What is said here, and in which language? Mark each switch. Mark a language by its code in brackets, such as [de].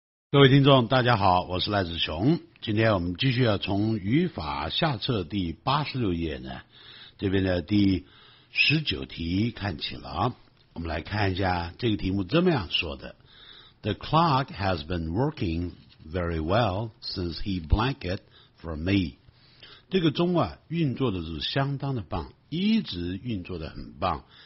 [zh] 各位听众大家好，我是赖子雄。今天我们继续要从语法下册第86页呢，这边的第19题看起了。我们来看一下这个题目怎么样说的。 [en] The clock has been working very well since he blanked for me. [zh] 这个钟啊运作的是相当的棒，一直运作的很棒。